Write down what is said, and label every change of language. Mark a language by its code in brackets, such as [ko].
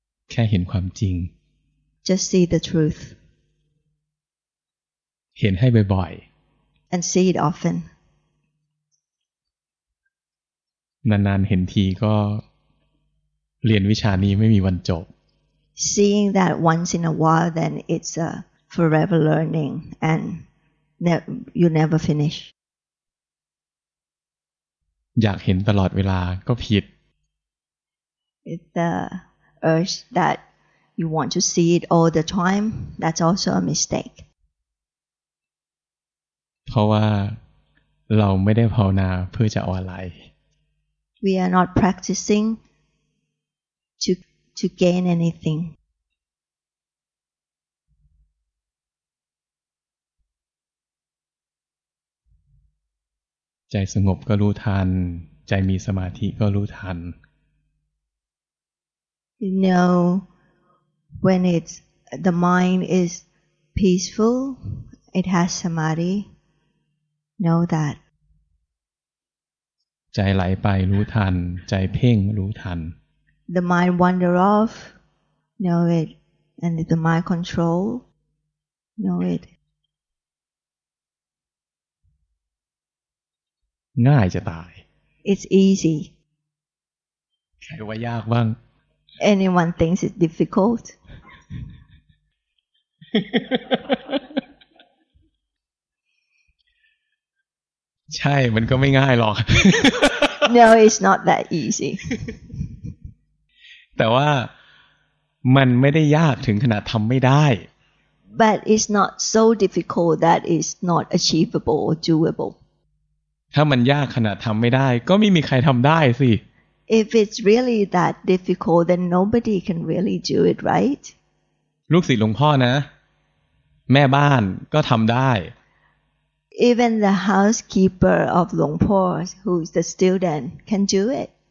[th] แค่เห็นความจริง [en] Just see the truth. [th] เห็นให้บ่อย [en] ๆ And see it often. [th] นานๆเห็นทีก็เรียนวิชานี้ไม่มีวันจบ [en] Seeing that once in a while then it's a forever learning and you never finish [th] อยากเห็นตลอดเวลาก็ผิด [en] It's the urge that you want to see it all the time that's also a mistake [th] เพราะว่าเราไม่ได้ภาวนาเพื่อจะเอาอะไร [en] We are not practicing to gain anything. [th] ใจสงบก็รู้ทันใจมีสมาธิก็รู้ทัน [en] You know, when it's the mind is peaceful, it has samadhi. Know that. [th] ใจไหลไปรู้ทันใจเพ่งรู้ทัน [en] The mind wander off, know it, and the mind control, know it. [th] ง่ายจะตาย [en] It's easy. [th] ใครว่ายากบ้าง [en] Anyone thinks it's difficult? [th] ใ ใช่มันก็ไม่ง่ายหรอก [en] No it's not that easy [th] แต่ว่ามันไม่ได้ยากถึงขนาดทำไม่ได้ [en] But it's not so difficult that it's not achievable or doable [th] ถ้ามันยากขนาดทำไม่ได้ก็ไม่มีใครทำได้สิ [en] If it's really that difficult then nobody can really do it right [th] ลูกศิษย์หลวงพ่อนะแม่บ้านก็ทำได้ [en] Even the housekeeper of Long Po, who's the student, can do it.